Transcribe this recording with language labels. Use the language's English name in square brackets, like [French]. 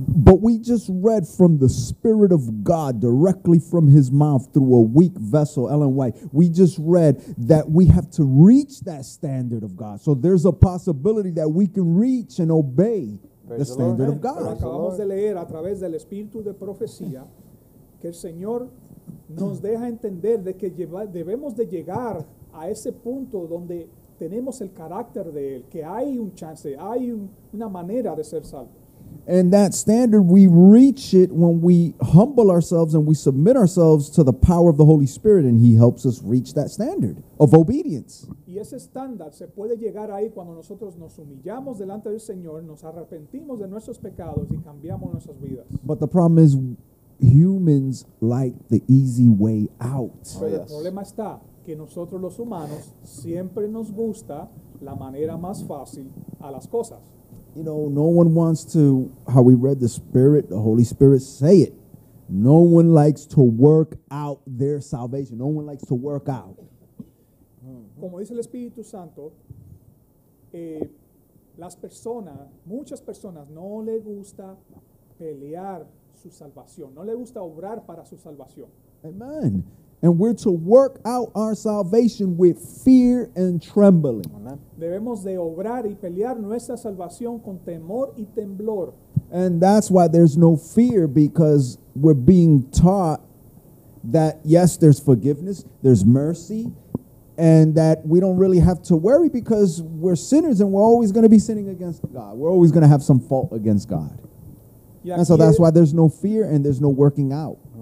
[English] But we just read from the Spirit of God directly from his mouth through a weak vessel, Ellen White. We just read that we have to reach that standard of God. So there's a possibility that we can reach and obey the standard of God. [Spanish] Acabamos de leer a través del Espíritu de profecía que el Señor nos deja entender de que debemos de llegar a ese punto donde tenemos el carácter de él, que hay un chance, hay una manera de ser salvo. [English] And that standard, we reach it when we humble ourselves and we submit ourselves to the power of the Holy Spirit, and he helps us reach that standard of obedience. [Spanish] Y ese estándar se puede llegar ahí cuando nosotros nos humillamos delante del Señor, nos arrepentimos de nuestros pecados y cambiamos nuestras vidas. [English] But the problem is, humans like the easy way out. [Spanish] Pero el problema está que nosotros los humanos siempre nos gusta la manera más fácil a las cosas. [English] You know, no one wants to, how we read the Spirit, the Holy Spirit say it. No one likes to work out their salvation. No one likes to work out. [Spanish] Como dice el Espíritu Santo, las personas, muchas personas no le gusta pelear su salvación. No le gusta obrar para su salvación. Amen. [English] And we're to work out our salvation with fear and trembling. Amen. [Spanish] Debemos de obrar y pelear nuestra salvación con temor y temblor. [English] And that's why there's no fear, because we're being taught that, yes, there's forgiveness, there's mercy, and that we don't really have to worry because we're sinners and we're always going to be sinning against God. We're always going to have some fault against God. And so that's why there's no fear and there's no working out.